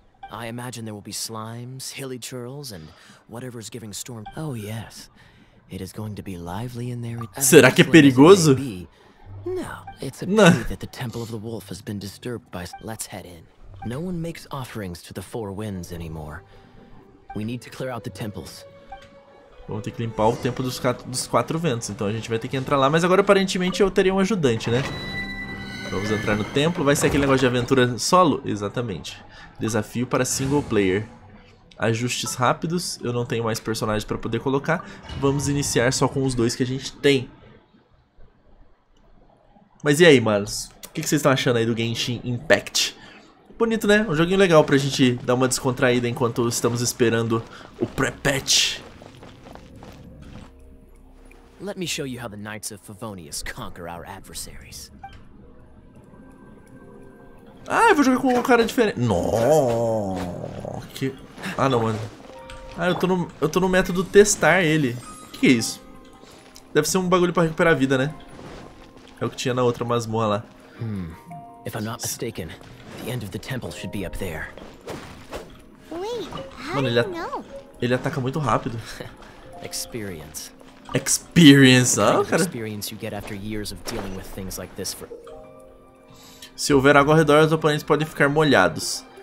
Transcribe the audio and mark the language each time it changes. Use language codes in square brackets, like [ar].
[en] I imagine there will be slimes, hilly churls and whatever's giving storm. Oh yes. It is going to be lively in there. [pt] Será que é perigoso? [en] No, it's a pity that the temple of the wolf has been disturbed by. Let's head in. No one makes offerings to the four winds anymore. We need to clear out the temples. [pt] Vamos ter que limpar o templo dos quatro ventos. Então a gente vai ter que entrar lá. Mas agora aparentemente eu teria um ajudante, né? Vamos entrar no templo. Vai ser aquele negócio de aventura solo? Exatamente. Desafio para single player. Ajustes rápidos. Eu não tenho mais personagens para poder colocar. Vamos iniciar só com os dois que a gente tem. Mas e aí, manos? O que vocês estão achando aí do Genshin Impact? Bonito, né? Um joguinho legal pra gente dar uma descontraída enquanto estamos esperando o pré-patch. [en] Let me show you how the Knights of Favonius conquer our adversaries. [pt] Ah, eu vou jogar com um cara diferente. Nossa, que... Ah, não, mano. Ah, eu tô no método testar ele. Que é isso? Deve ser um bagulho pra recuperar a vida, né? É o que tinha na outra masmorra lá. [en] If I'm not mistaken, the end of the temple should be up there. [pt] Mano, ele ataca muito rápido. [en] Experience. Experience, ah, cara. Experience you get after years of dealing with things like this for... [pt] Se houver água ao redor, os oponentes podem ficar molhados.